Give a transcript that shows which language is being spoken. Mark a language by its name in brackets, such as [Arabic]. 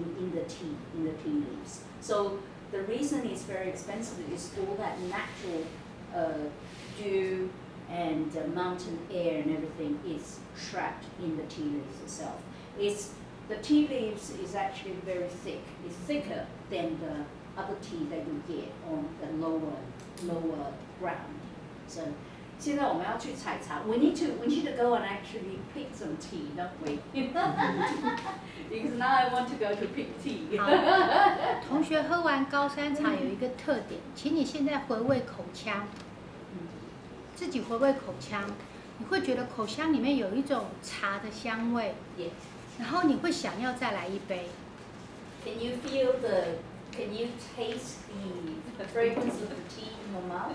[English] In the tea leaves. So the reason it's very expensive is all that natural dew and mountain air and everything is trapped in the tea leaves itself. The tea leaves is actually very thick. It's thicker than the other tea that you get on the lower ground. [Chinese] So, 现在我们要去采茶。 [English] We need to go and actually pick some tea, don't we? Because now I want to go to pick tea. [Chinese] 同学喝完高山茶有一个特点，请你现在回味口腔，自己回味口腔，你会觉得口腔里面有一种茶的香味， [English] yes. [Chinese] 然后你会想要再来一杯。 [English] Can you taste the fragrance of the tea in your mouth?